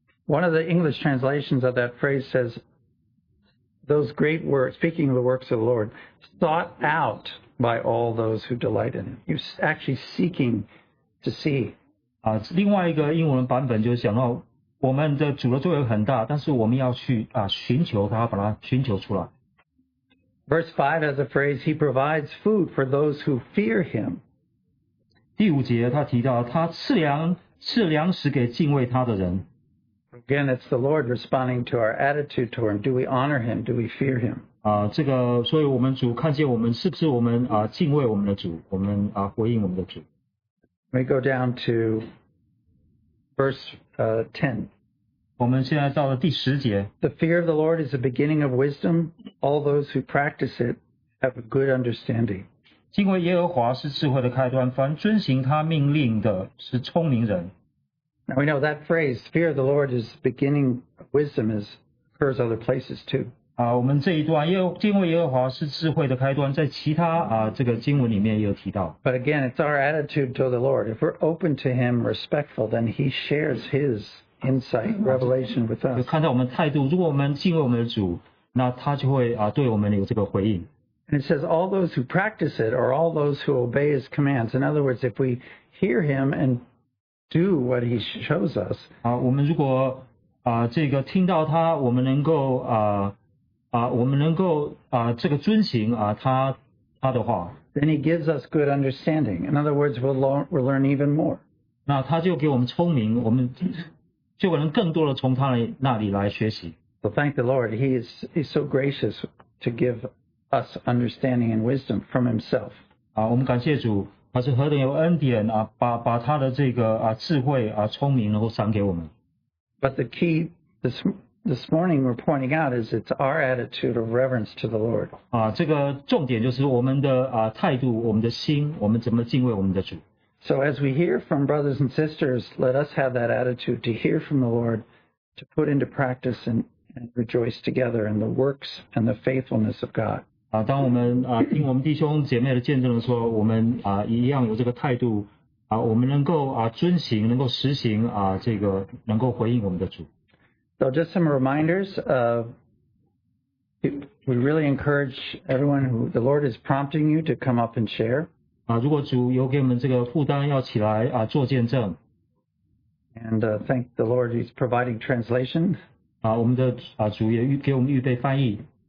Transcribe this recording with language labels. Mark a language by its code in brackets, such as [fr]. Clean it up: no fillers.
[en] One of the English translations of that phrase says, "Those great works, speaking of the works of the Lord, sought out by all those who delight in it." You're actually seeking to see. [zh] 另外一个英文版本就是想到。我们的主的作为很大，但是我们要去寻求他，把它寻求出来。 [en] Verse 5 has a phrase, He provides food for those who fear Him. [zh] 第五节他提到，他赐粮食给敬畏他的人。 [en] Again, it's the Lord responding to our attitude toward Him. Do we honor Him? Do we fear Him? [zh] 这个，所以我们主看见我们，是不是我们敬畏我们的主，我们回应我们的主。 [en] We go down to verse 10. [zh] 我们现在到了第十节。 [en] The fear of the Lord is the beginning of wisdom. All those who practice it have a good understanding. [zh] 敬畏耶和华是智慧的开端，凡遵行他命令的是聪明人。 [en] Now we know that phrase, fear of the Lord is the beginning of wisdom, occurs other places too. [zh] 我们这一段敬畏耶和华是智慧的开端，在其他这个经文里面也有提到。 [en] But again, it's our attitude to the Lord. If we're open to Him, respectful, then He shares His insight, revelation with us. [zh] 看到我们态度，如果我们敬畏我们的主，那他就会对我们有这个回应。 [en] And it says, all those who practice it are all those who obey His commands. In other words, if we hear Him and do what He shows us. [zh] 我们如果这个听到他，我们能够这个遵行他的话。 [en] Then He gives us good understanding. In other words, we'll learn even more. [zh] 那他就给我们聪明，我们就能更多的从他那里来学习。 [en] So thank the Lord, He's so gracious to give us understanding and wisdom from Himself. [zh] 我们感谢主，他是何等有恩典把他的这个智慧聪明能够赏给我们。 [en] But the key this morning we're pointing out is it's our attitude of reverence to the Lord. [zh] 这个重点就是我们的态度，我们的心，我们怎么敬畏我们的主。 [en] So as we hear from brothers and sisters, let us have that attitude to hear from the Lord, to put into practice and rejoice together in the works and the faithfulness of God. [zh] 当我们听我们弟兄姐妹的见证的时候，我们一样有这个态度，我们能够遵行，能够实行这个能够回应我们的主。 [en] So just some reminders. We really encourage everyone who the Lord is prompting you to come up and share. [zh] 如果主有给我们这个负担要起来做见证。 [en] And thank the Lord He's providing translation. [zh] 我们的主也给我们预备翻译。